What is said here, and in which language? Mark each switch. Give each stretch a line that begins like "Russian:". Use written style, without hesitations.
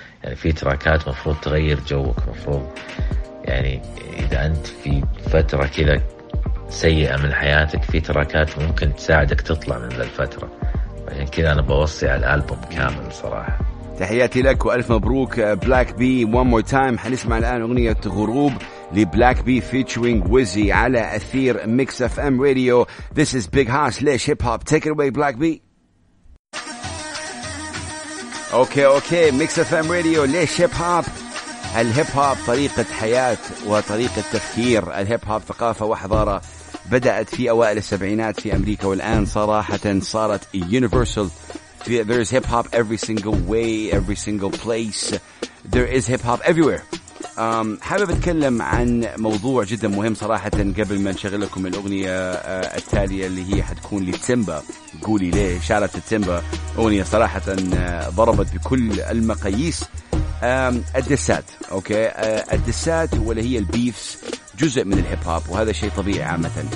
Arabic: يعني في تراكات مفروض تغير جوك، مفروض يعني إذا أنت في فترة كذا سيئة من حياتك في تراكات ممكن تساعدك تطلع من ذا الفترة. يعني كذا أنا بوصي على الألبوم كامل صراحة. تحياتي لك وألف مبروك بلاك بي.
English: One more time،
Arabic: حنسمع الآن أغنية غروب لبلاك بي فيتشوينج ويزي على أثير ميكس أف أم راديو.
English: This is Big Hoss Laish Hip Hop. Take it away Black B.
Arabic: أوكي أوكي، ميكس أف أم راديو Laish Hip Hop. الهيب هوب طريقة حياة وطريقة تفكير، الهيب هوب ثقافة وحضارة بدأت في أوائل السبعينات في أمريكا والآن صراحة صارت universal.
English: There is hip hop every single way, every single place. There is hip hop everywhere.
Arabic: حابب أتكلم عن موضوع جدا مهم صراحة قبل ما نشغل لكم الأغنية التالية اللي هي حتكون لتيمبا. قولي ليه شارة تيمبا، أغنية صراحة ضربت بكل المقاييس. الدسات، أوكي، الدسات ولا هي البيفس جزء من الهيب هوب وهذا شيء طبيعي عامة.